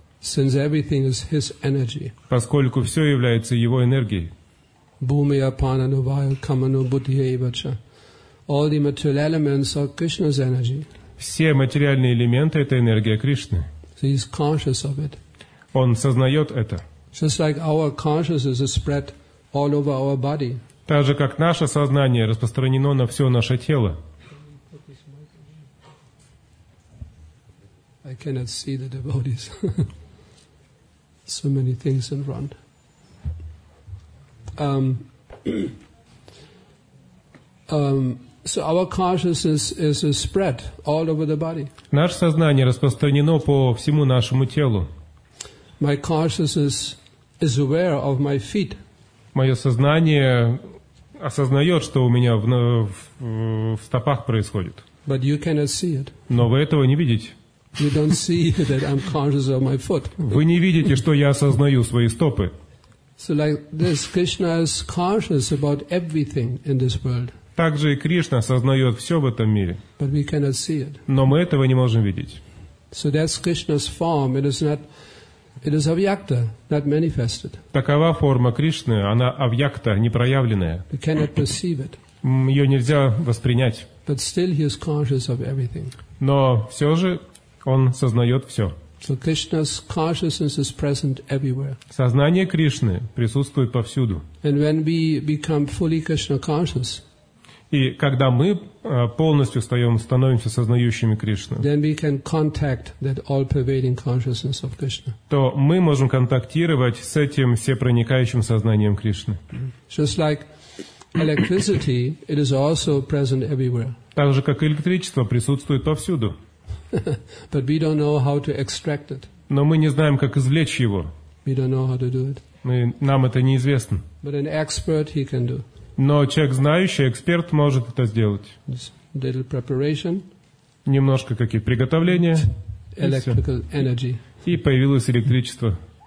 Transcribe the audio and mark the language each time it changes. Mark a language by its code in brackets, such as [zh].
[en] Since everything is his energy. [ru] Поскольку все является его энергией. [sa] Bhumiya Panano Vayu Kamano Buddhiya Ivacha. [en] All the material elements are Krishna's energy. [ru] Все материальные элементы — это энергия Кришны. [en] He is conscious of it. [ru] Он сознает это. [en] Just like our consciousness is spread all over our body. [ru] Так же, как наше сознание распространено на все наше тело. [en] I cannot see the devotees. So many things in front. So our consciousness is spread all over the body. [ru] Наше сознание распространено по всему нашему телу. [en] My consciousness is aware of my feet. [ru] Мое сознание осознает, что у меня в стопах происходит. [en] But you cannot see it. [ru] Но вы этого не видите. [en] You don't see that I'm conscious of my foot. [ru] Вы не видите, что я осознаю свои стопы. [en] So like this, Krishna is conscious about everything in this world. [ru] Также и Кришна осознает все в этом мире. [en] But we cannot see it. [ru] Но мы этого не можем видеть. [en] So that's Krishna's form. It is not. It is avyakta, not manifested. [ru] Такова форма Кришны, она авьякта, непроявленная. [en] You cannot perceive it. [ru] Ее нельзя воспринять. [en] But still he is conscious of everything. [ru] Но все же он сознает все. [en] So Krishna's consciousness is present everywhere. [ru] Сознание Кришны присутствует повсюду. [en] And when we become fully Krishna conscious, [ru] и когда мы полностью становимся сознающими Кришну, [en] then we can contact that all-pervading consciousness of Krishna. [ru] То мы можем контактировать с этим всепроникающим сознанием Кришны. [en] Just like electricity, it is also present everywhere. [ru] Так же, как электричество присутствует повсюду. [en] But we don't know how to extract it. [ru] Но мы не знаем, как извлечь его. [en] We don't know how to do it. [ru] Нам это неизвестно. [en] But an expert, he can do. [ru] Но человек знающий, эксперт, может это сделать. [en] Little preparation. [ru] Немножко какие-то приготовления. [en] Electrical energy. [ru] И появилось электричество.